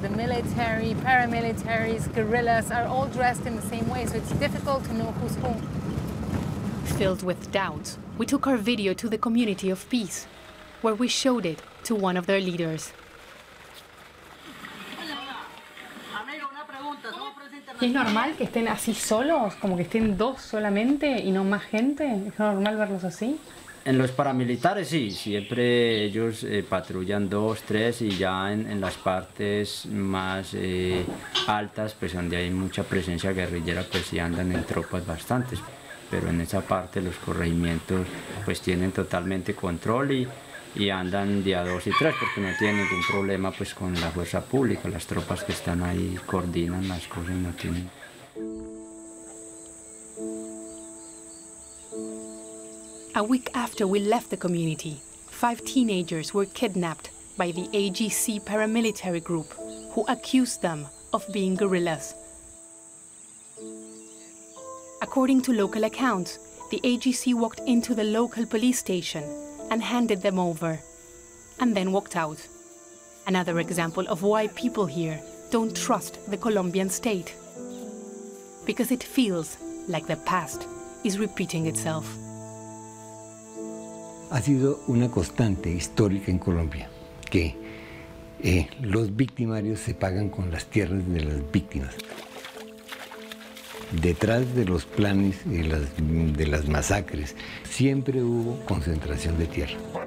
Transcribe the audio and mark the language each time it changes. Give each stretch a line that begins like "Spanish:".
English: The military, paramilitaries, guerrillas are all dressed in the same way, so it's difficult to know who's who. Filled with doubts, we took our video to the Community of Peace, where we showed it to one of their leaders.
Spanish: ¿Es normal que estén así solos, como que estén dos solamente y no más gente? ¿Es normal verlos así? En los paramilitares sí, siempre ellos patrullan dos, tres y ya en las partes más altas, pues donde hay mucha presencia guerrillera, pues sí andan en tropas bastantes. Pero en esa parte los corregimientos pues tienen totalmente control y andan día dos y tres porque no tienen ningún problema pues con la fuerza pública, las tropas que están ahí coordinan las cosas y no tienen.
English: A week after we left the community, five teenagers were kidnapped by the AGC paramilitary group who accused them of being guerrillas. According to local accounts, the AGC walked into the local police station and handed them over, and then walked out. Another example of why people here don't trust the Colombian state. Because it feels like the past is repeating itself.
Spanish: ha sido una constante histórica en Colombia, que los victimarios se pagan con las tierras de las víctimas. Detrás de los planes y de las masacres, siempre hubo concentración de tierra.